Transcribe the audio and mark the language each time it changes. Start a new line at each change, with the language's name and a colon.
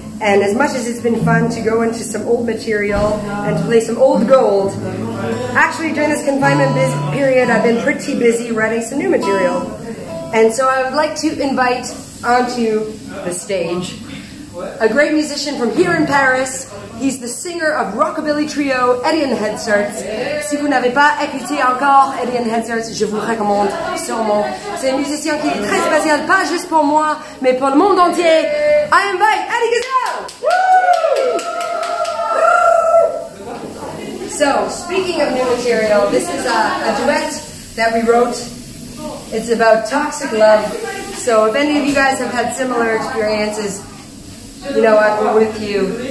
English: And as much as it's been fun to go into some old material and to play some old gold, actually during this confinement period, I've been pretty busy writing some new material. And so I would like to invite onto the stage a great musician from here in Paris. He's the singer of rockabilly trio Eddie and the Headstarts.
French: Si vous n'avez pas écouté encore Eddie and the Headstarts, je vous recommande sûrement. C'est un musicien qui est très spécial, pas juste pour moi, mais pour le monde entier.
English: I invite Eddie Gazelle! So, speaking of new material, this is a duet that we wrote. It's about toxic love. So if any of you guys have had similar experiences, you know what, we're with you.